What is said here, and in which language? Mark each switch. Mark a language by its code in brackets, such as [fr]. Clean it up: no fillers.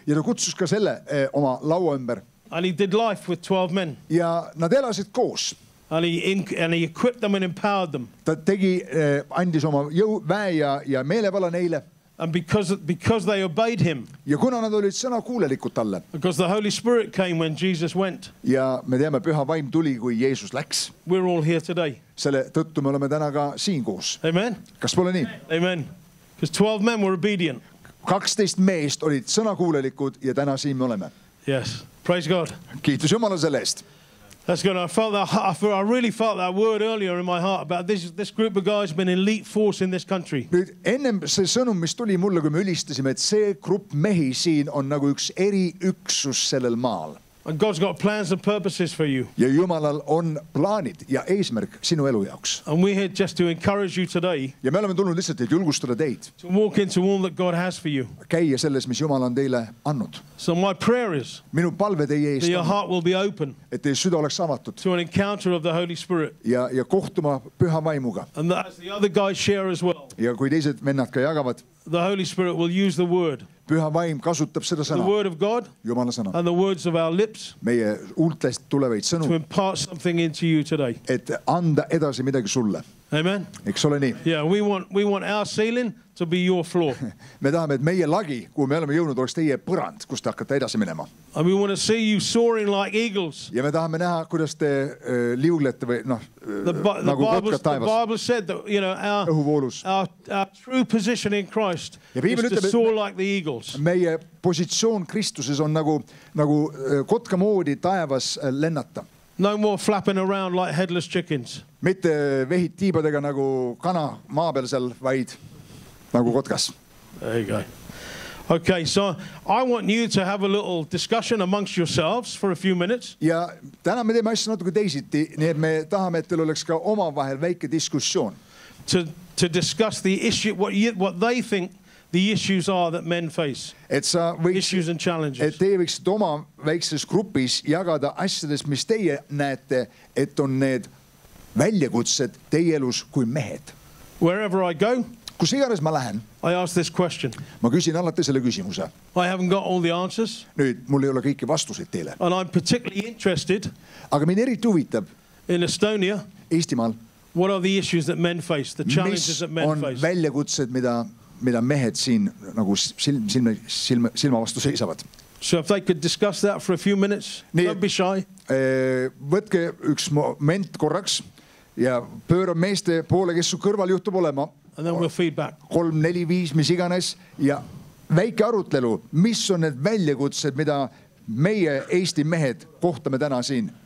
[et] Ja ta kutsus ka selle oma laua ümber. [en] And he did life with 12 men. [et] Ja nad elasid koos. [en] And he equipped them and empowered them. [et] Ta tegi, andis oma jõu, väe ja meelevala neile. [en] And because they obeyed him. [et] Ja kuna nad olid sõna kuulelikud talle. [en] Because the Holy Spirit came when Jesus went. [et] Ja me teame, püha vaim tuli, kui Jeesus läks. [en] We're all here today. [et] Selle tõttu me oleme täna ka siin koos. [en] Amen. [et] Kas pole nii? [en] Amen. Because 12 men were obedient. [et] 12 meest olid sõna kuulelikud ja täna siin me oleme. [en] Yes. Praise God. [et] Kiitus Jumala selle eest. [en] That's good. I really felt that word earlier in my heart about this group of guys been elite force in this country. [et] Nüüd ennem see sõnum, mis tuli mulle, kui me ülistasime, et see grupp mehi siin on nagu üks eri üksus sellel maal. [en] And God's got plans and purposes for you. [et] Ja Jumalal on plaanid ja eesmärk sinu elu jaoks. [en] And we're here just to encourage you today. [et] Ja me oleme tulnud lihtsalt, et julgustada teid. [en] To walk into all that God has for you. [et] Käia selles, mis Jumal on teile annud. [en] So my prayer is. [et] Minu palve teie eest. [en] That your heart will be open. [et] Et teie süda oleks avatud. [en] To an encounter of the Holy Spirit. [et] Ja kohtuma püha vaimuga. [en] And that as the other guys share as well. [et] Ja kui teised vennad ka jagavad. [en] The Holy Spirit will use the word. [et] Püha vaim kasutab seda sõna. [en] The word of God. [et] Jumala sõna. [en] And the words of our lips. [et] Meie ultest tulevaid sõnu. [en] To impart something into you today. [et] Et anda edasi midagi sulle. [en] Amen. [et] Eks ole nii? [en] Yeah, we want our ceiling to be your floor. [et] Me tahame, et meie lagi, kui me oleme jõunud, oleks teie põrand, kus te hakkate edasi minema. [en] And we want to see you soaring like eagles. [et] Ja me tahame näha, kuidas te liuglete või noh, nagu kotkad taevas. [en] The Bible said that, you know, our true position in Christ is to soar like the eagles. [et] Meie positsioon Kristuses on nagu kotka moodi taevas lennata. [en] No more flapping around like headless chickens. [et] Mitte vehid tiibadega nagu kana maapealsel, vaid nagu kotkas. [en] There you go. Okay, so I want you to have a little discussion amongst yourselves for a few minutes. [et] Ja täna me teeme asja natuke teisiti, nii et me tahame, et teil oleks ka omavahel väike diskussioon. [en] To discuss the issue, what they think the issues are that men face. [et] Et sa võiks, [en] issues and challenges. [et] Et teie võiksid oma väikses grupis jagada asjades, mis teie näete, et on need väljakutsed teie elus kui mehed. [en] Wherever I go, [et] kus igares ma lähen, [en] I ask this question. [et] Ma küsin alati selle küsimuse. [en] I haven't got all the answers. [et] Nüüd, mul ei ole kõiki vastuseid teile. [en] And I'm particularly interested. [et] Aga mind eriti huvitab. [en] In Estonia. [et] Eestimaal. [en] What are the issues that men face? The challenges that men face. [et] Mis on väljakutsed, mida mehed siin nagu silma vastu seisavad. [en] So if they could discuss that for a few minutes, [et] nii, [en] don't be shy. [et] Võtke üks moment korraks ja pööra meeste poole, kes su kõrval juhtub olema. [en] And then we'll feedback. [et] 3, 4, 5, mis iganes. Ja väike arutlelu, mis on need väljakutsed, mida meie Eesti mehed kohtame täna siin.